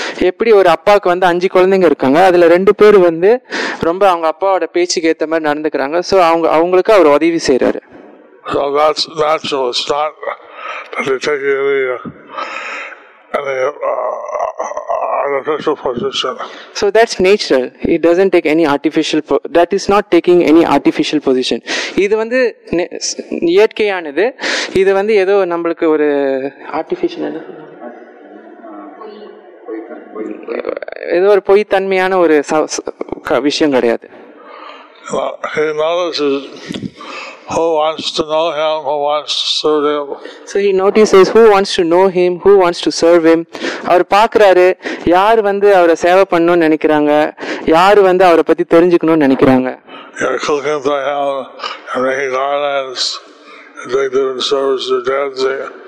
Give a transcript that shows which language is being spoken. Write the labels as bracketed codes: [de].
[ta] எப்படி ஒரு அப்பாவுக்கு வந்து 5 குழந்தைங்க இருக்காங்க, அதுல 2 பேர் வந்து ரொம்ப அவங்க அப்பாவோட பேச்சுக்கு ஏத்த மாதிரி நடந்துக்கிறாங்க. சோ அவங்க அவங்களுக்கு அவர் உதவி செய்யறாரு. [en] So that's natural. It's not that they take any artificial position. So that's natural. It doesn't take any artificial that is not taking any artificial position. [ta] இது வந்து இயற்கையானது. இது வந்து ஏதோ நம்மளுக்கு ஒரு ஆர்டிபிஷியல் ஏதோ ஒரு பொய் தன்மையான ஒரு விஷயம் கிடையாது. [en] He knows who wants to know him, who wants to serve him. So he notices who wants to know him, who wants to serve him. [ta] அவர் பார்க்கறாரு யார் வந்து அவரை சேவை பண்ணணும் நினைக்கிறாங்க, யார் வந்து அவரை பத்தி தெரிஞ்சுக்கணும் நினைக்கிறாங்க. [en] You're cooking for him, and he garlands, they do the service to dancing.